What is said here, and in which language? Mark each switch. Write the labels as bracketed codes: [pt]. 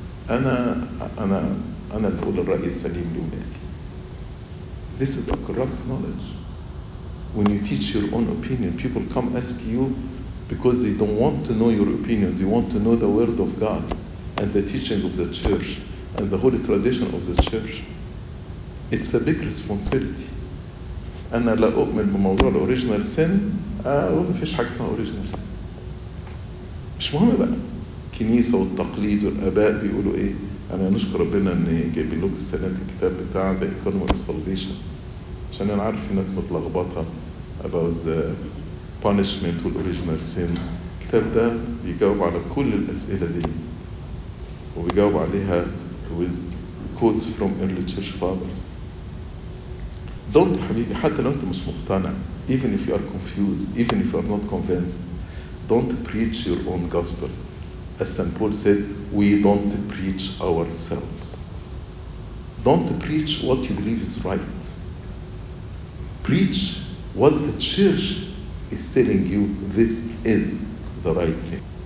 [ar] انا اللي بقول الراي السليم لولادي. [en] This is a corrupt knowledge. When you teach your own opinion, people come ask you because they don't want to know your opinions. They want to know the word of God and the teaching of the church and the holy tradition of the church. It's a big responsibility. [ar] أنا لا أؤمن بموضوع الـ original sin، ما فيش حاجة اسمها original sin. مش مهم بقى الكنيسة والتقليد والآباء بيقولوا إيه. أنا نشكر ربنا إن جايبين لكم السنة الكتاب بتاع The Economy of Salvation، عشان أنا عارف في ناس متلخبطة about the punishment والـ original sin. الكتاب ده بيجاوب على كل الأسئلة دي، وبيجاوب عليها with quotes from early church fathers. [en] Don't حبيبي، حتى لو انت مش مقتنع، even if you are confused, even if you are not convinced, don't preach your own gospel. As St. Paul said, we don't preach ourselves. Don't preach what you believe is right. Preach what the church is telling you this is the right thing.